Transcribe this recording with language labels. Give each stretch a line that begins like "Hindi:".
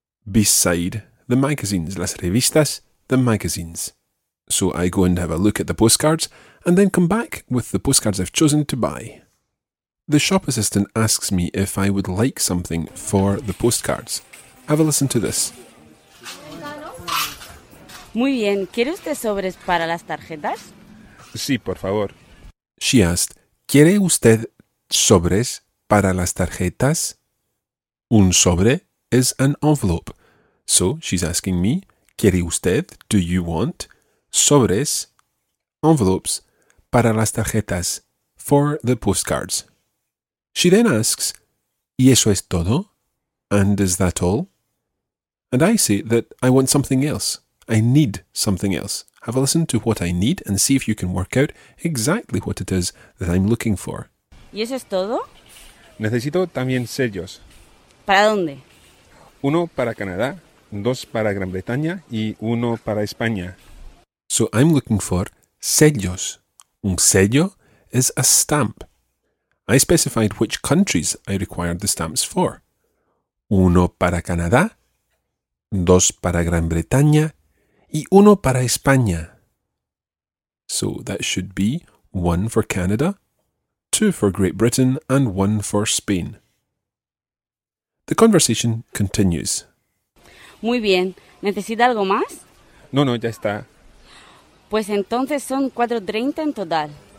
English: Beside the magazines,
Spanish: las revistas,
English: the magazines. So I go and have a look at the postcards and then come back with the postcards I've chosen to buy. The shop assistant asks me if I would like something for the postcards. Have a listen to this.
Spanish: Muy bien, ¿quiere usted sobres para las tarjetas? Sí, por favor.
English: She asked,
Spanish: ¿Quiere usted sobres para las tarjetas? Un sobre
English: is an envelope. So she's asking me,
Spanish: ¿Quiere usted,
English: do you want,
Spanish: sobres,
English: envelopes,
Spanish: para las tarjetas,
English: for the postcards? She then asks,
Spanish: ¿Y eso es todo?
English: And is that all? And I say that I want something else. I need something else. Have a listen to what I need and see if you can work out exactly what it is that I'm looking for.
Spanish: ¿Y eso es todo? Necesito también sellos. ¿Para dónde? Uno para Canadá, dos para Gran Bretaña y uno para España.
English: So I'm looking for sellos.
Spanish: Un sello
English: is a stamp. I specified which countries I required the stamps for.
Spanish: Uno para Canadá, dos para Gran Bretaña y uno para España.
English: So that should be one for Canada, two for Great Britain and one for Spain. The conversation continues.
Spanish: Muy bien. ¿Necesita algo más? No, no, ya está. Pues entonces son 4.30 en total.